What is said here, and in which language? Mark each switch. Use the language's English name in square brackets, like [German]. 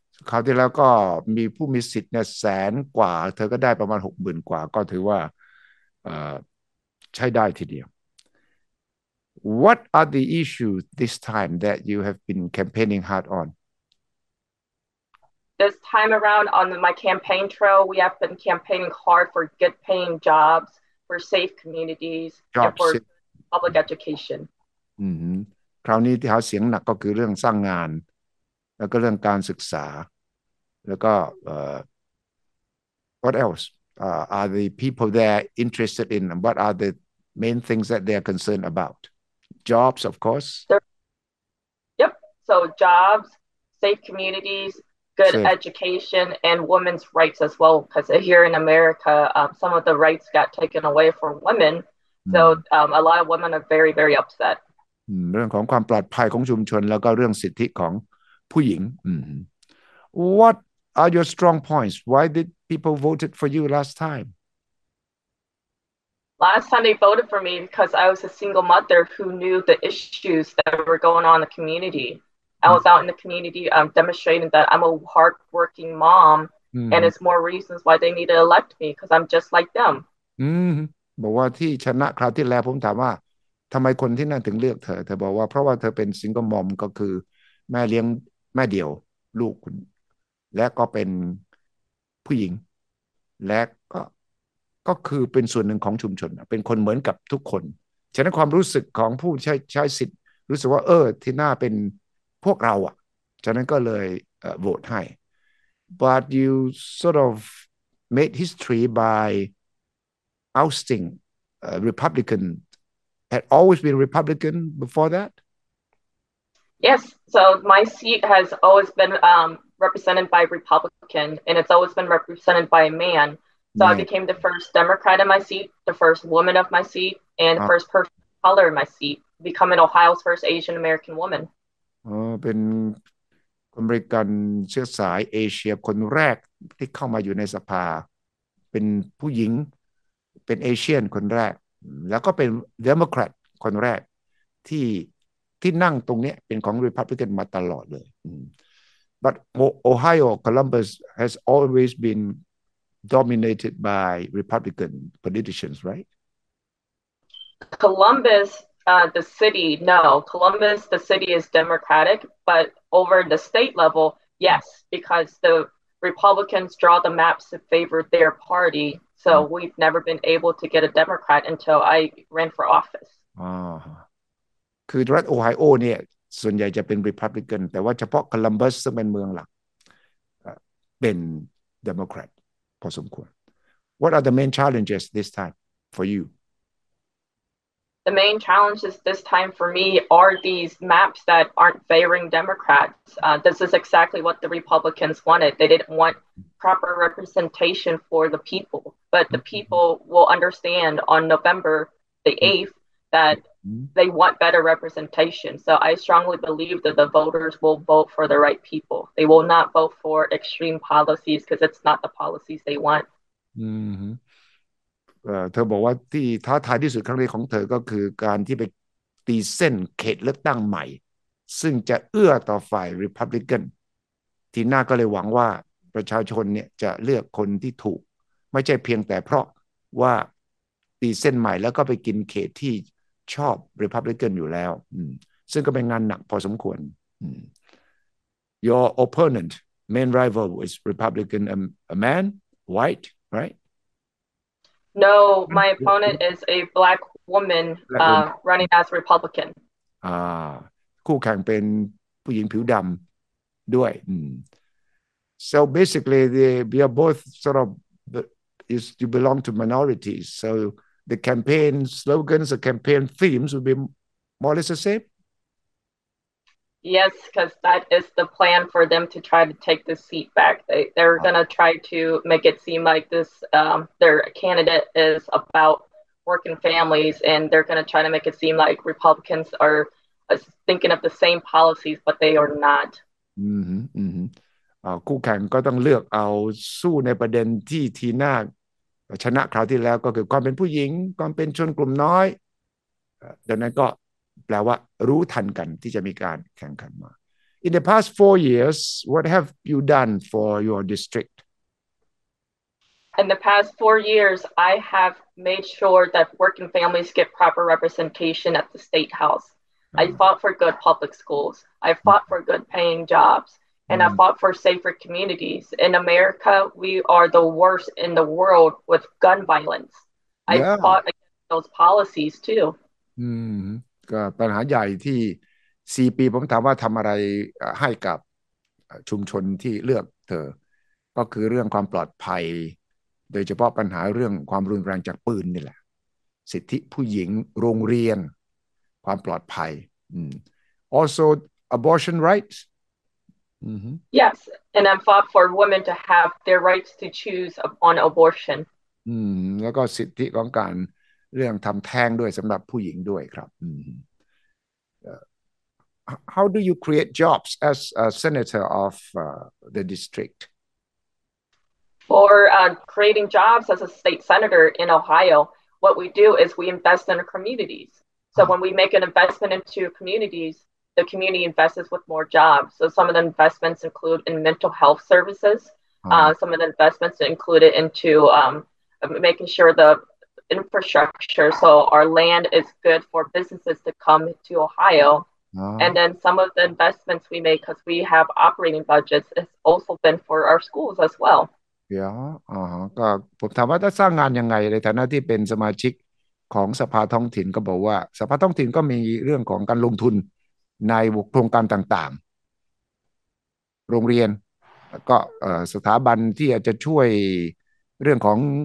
[Thai] คราวที่แล้วก็มีผู้มีสิทธิ์เนี่ยแสนกว่าเธอก็ได้ประมาณ60,000กว่าก็ถือว่าใช้ได้ทีเดียว [English] What are the issues this time that you have been campaigning hard on? This time around on my campaign trail, we have been campaigning hard for good paying jobs, for safe communities, jobs. and for public education. [Thai] คราวนี้ที่หาเสียงหนักก็คือเรื่องสร้างงานแล้วก็เรื่องการศึกษาแล้วก็ [English] what else are the people there interested in what are the main things that they're concerned about jobs of course yep so jobs safe communities good safe. Education and women's rights as well because here in America some of the rights got taken away for women so a lot of women are very very upset [Thai] เรื่องของความปลอดภัยของชุมชนแล้วก็เรื่องสิทธิของผู้หญิง [English] What are your strong points? Why did people vote for you last time? Last time they voted for me because I was a single mother who knew the issues that were going on in the community. I was out in the community demonstrating that I'm a hard-working mom and it's more reasons why they need to elect me because I'm just like them. [Thai] บอกว่าที่ชนะคราวที่แล้วผมถามว่าทำไมคนที่นั่นถึงเลือกเธอเธอบอกว่าเพราะว่าเธอเป็น single mom ก็คือแม่เลี้ยงแม่เดียวลูกคุณและก็เป็นผู้หญิงและ ก็คือเป็นส่วนหนึ่งของชุมชนเป็นคนเหมือนกับทุกคนฉะนั้นความรู้สึกของผู้ใช้สิทธิ์รู้สึกว่าที่หน้าเป็นพวกเราอ่ะฉะนั้นก็เลยโหวตให้ [English] but you sort of made history by ousting Republican had always been Republican before that Yes, so my seat has always been represented by Republican, and it's always been represented by a man. So right. I became the first Democrat in my seat, the first woman of my seat, and the first person of color in my seat, becoming Ohio's first Asian American woman. [Thai] เป็นคนอเมริกันเชื้อสายเอเชียคนแรกที่เข้ามาอยู่ในสภาเป็นผู้หญิงเป็นเอเชียนคนแรกแล้วก็เป็นเดโมแครตคนแรกที่นั่งตรงนี้เป็นของ Republican มาตลอดเลย [English] But Ohio, Columbus has always been dominated by Republican politicians, right? Columbus, the city, no. Columbus, the city is Democratic, but over the state level, yes, because the Republicans draw the maps to favor their party. So we've never been able to get a Democrat until I ran for office. [Thai] คือรัฐโอไฮโอเนี่ยส่วนใหญ่จะเป็น Republican แต่ว่าเฉพาะ Columbus ซึ่งเป็นเมืองหลัก [English] been Democrat [Thai] พอสมควร [English] What are the main challenges this time for you? The main challenges this time for me are these maps that aren't favoring Democrats. This is exactly what the Republicans wanted. They didn't want proper representation for the people. But the people will understand on November the 8th that they want better representation. So I strongly believe that the voters will vote for the right people. They will not vote for extreme policies because it's not the policies they want. Mm-hmm. [Thai] เธอบอกว่าที่ท้าทายที่สุดครั้งนี้ของเธอก็คือการที่ไปตีเส้นเขตเลือกตั้งใหม่ซึ่งจะเอื้อต่อฝ่าย Republican ทีน่าก็เลยหวังว่าประชาชนเนี่ยจะเลือกคนที่ถูกไม่ใช่เพียงแต่เพราะว่าตีเส้นใหม่แล้วก็ไปกินเขตที่ชอบ Republican อยู่แล้วซึ่งก็เป็นงานหนักพอสมควร [English] Your opponent main rival is Republican a man white right No my opponent is a black woman running as Republican [Thai] คู่แข่งเป็นผู้หญิงผิวดำด้วย [English] So basically, we are both sort of, you belong to minorities. So the campaign slogans, the campaign themes would be more or less the same? Yes, because that is the plan for them to try to take the seat back. They're going to try to make it seem like this, their candidate is about working families, and they're going to try to make it seem like Republicans are thinking of the same policies, but they are not. Mm-hmm, mm-hmm. [Thai] คู่แข่งก็ต้องเลือกเอาสู้ในประเด็นที่ทีน่าชนะคราวที่แล้วก็คือความเป็นผู้หญิงความเป็นชนกลุ่มน้อยดังนั้นก็แปลว่ารู้ทันกันที่จะมีการแข่งขันมา [English] In the past 4 years, what have you done for your district? In the past 4 years, I have made sure that working families get proper representation at the state house. I fought for good public schools. I fought for good paying jobs. And I fought for safer communities. In America, we are the worst in the world with gun violence. Yeah. I fought against those policies too. [Thai] ก็ปัญหาใหญ่ที่4ปีผมถามว่าทำอะไรให้กับชุมชนที่เลือกเธอก็คือเรื่องความปลอดภัยโดยเฉพาะปัญหาเรื่องความรุนแรงจากปืนนี่แหละสิทธิผู้หญิงโรงเรียนความปลอดภัย [English] Also abortion rights. Mm-hmm. Yes, and I fought for women to have their rights to choose on abortion. [Thai] แล้วก็สิทธิของการเรื่องทำแท้งด้วยสำหรับผู้หญิงด้วยครับ [English] How do you create jobs as a senator of the district? For creating jobs as a state senator in Ohio, what we do is we invest in our communities. So when we make an investment into communities,The community invests with more jobs. So some of the investments include in mental health services. Some of the investments included into making sure the infrastructure, so our land is good for businesses to come to Ohio. And then some of the investments we make because we have operating budgets has also been for our schools as well. Yeah. [Thai] ก็ผมถามว่าจะสร้างงานยังไงในฐานะที่เป็นสมาชิกของสภาท้องถิ่นก็บอกว่าสภาท้องถิ่นก็มีเรื่องของการลงทุนในโครงการต่างๆโรงเรียนก็สถาบันที่อาจจะช่วยเรื่องของ